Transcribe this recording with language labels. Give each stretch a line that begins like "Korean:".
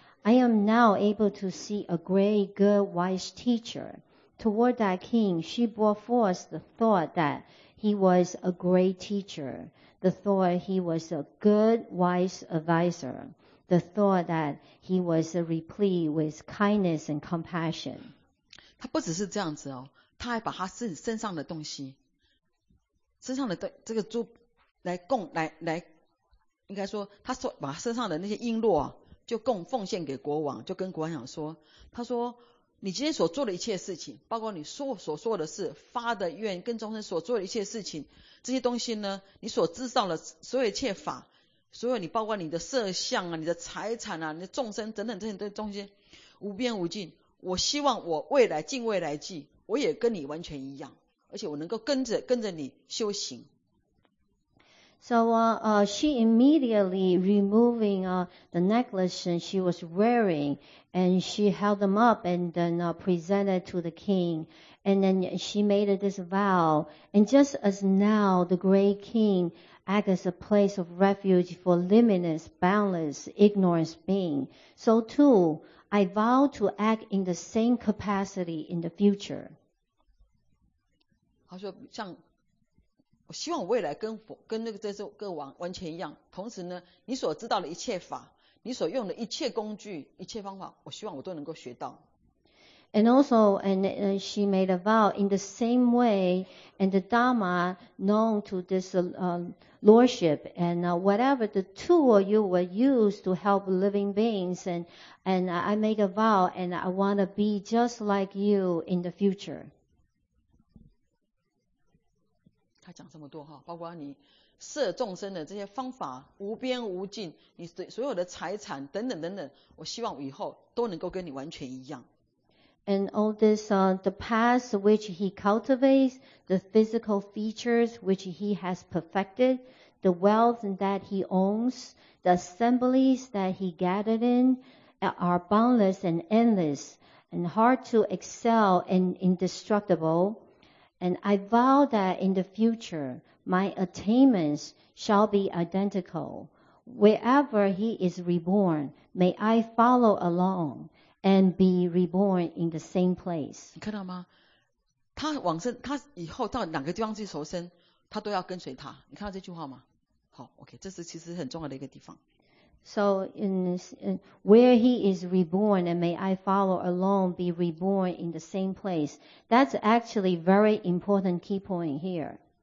English: I am now able to see a great, good, wise teacher. Toward that king, she brought forth the thought that he was a great teacher, the thought he was a good, wise advisor. The thought that he was replete with kindness and compassion.
Chinese: 他不只是这样子哦，他还把他身上的东西，身上的这个珠来供来，应该说他说把身上的那些璎珞、啊、就供奉献给国王，就跟国王讲说，他说你今天所做的一切事情，包括你所说的事、发的愿跟众生所做的一切事情，这些东西呢，你所制造的所有一切法。所有你包括你的色相啊，你的财产啊，你的众生等等这些东西，无边无尽。我希望我未来近未来际，我也跟你完全一样，而且我能够跟着你修行。
English: So, she immediately removing the necklace and she was wearing, and she held them up and then presented to the king. And then she made this vow. And just as now the great king act as a place of refuge for limitless, boundless, ignorant being. So too, I vow to act in the same capacity in the future.
Chinese: 他说像我希望我未来跟那个这次各王完全一样，同时呢，你所知道的一切法，你所用的一切工具、一切方法，我希望我都能够学到。
English: And also, and she made a vow in the same way, and the Dharma known to this lordship, and whatever the tool you will use to help living beings, and I make a vow, and I want to be just like you in the future.
Chinese: 他讲这么多哈，包括你摄众生的这些方法无边无尽，你所有的财产等等等等，我希望以后都能够跟你完全一样。
English: And all this, the paths which he cultivates, the physical features which he has perfected, the wealth that he owns, the assemblies that he gathered in, are boundless and endless, and hard to excel and indestructible. And I vow that in the future, my attainments shall be identical. Wherever he is reborn, may I follow along. And be reborn in the same place.
Chinese: 你看到吗？他往生，他以后到哪个地方去求生，他都要跟随他。你看到这句话吗？好 ，OK， 这是其实很重要的一个地方。
English: So in where he is reborn, and may I follow along, be reborn in the same place. That's actually very important key point here.